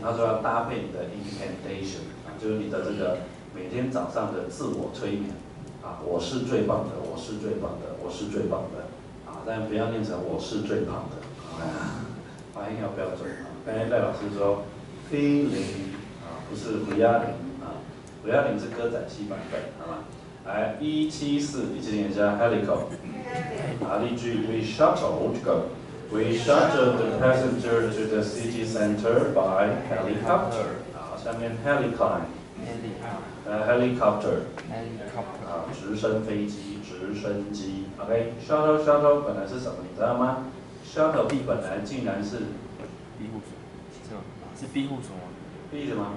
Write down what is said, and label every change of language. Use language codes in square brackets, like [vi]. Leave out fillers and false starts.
[zh] 他说要搭配你的 incantation， 就是你的这个每天早上的自我催眠，啊，我是最棒的，我是最棒的，我是最棒的，啊，但不要念成我是最棒的，发音要标准啊。刚才戴老师说 feeling， 啊，不是 feeling 啊 ，feeling 是歌仔戏版本，好吗？来174，一起念一下 helico， 啊，例句 we shuttle go。 [en] We shuttled the passenger to the city center by helicopter. [zh] 好，下面 helicopter. 直升飞机，直升机。 OK， shuttle 本来是什么，你知道吗？Shuttle 本来竟然是庇护所，是庇护所吗？庇什么？